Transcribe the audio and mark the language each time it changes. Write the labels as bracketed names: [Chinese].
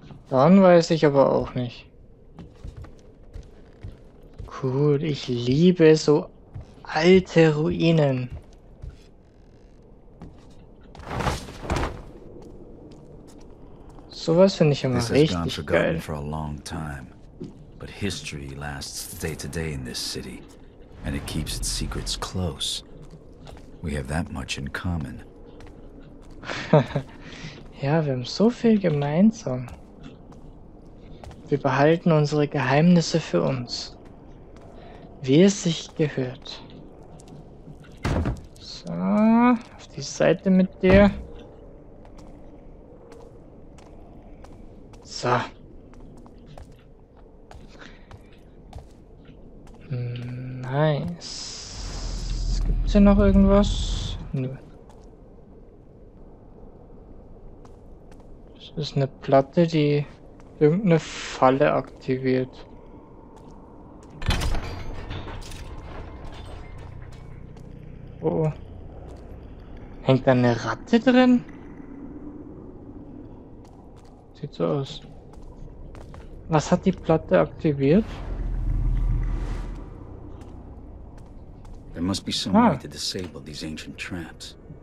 [German] Dann weiß ich aber auch nicht. Cool, ich liebe so alte Ruinen. Sowas finde ich immer richtig geil. [English] For a long time. But history lasts day to day in this city, and it keeps its secrets close. We have that much in common. [German] Ja, wir haben so viel gemeinsam. Wir behalten unsere Geheimnisse für uns. Wie es sich gehört. So, auf die Seite mit dir. So. Nice. Gibt's hier noch irgendwas? Nö. Das ist eine Platte, die irgendeine Falle aktiviert. Oh. Hängt da eine Ratte drin? Sieht so aus. Was hat die Platte aktiviert? [English] There must be some way to disable these ancient traps.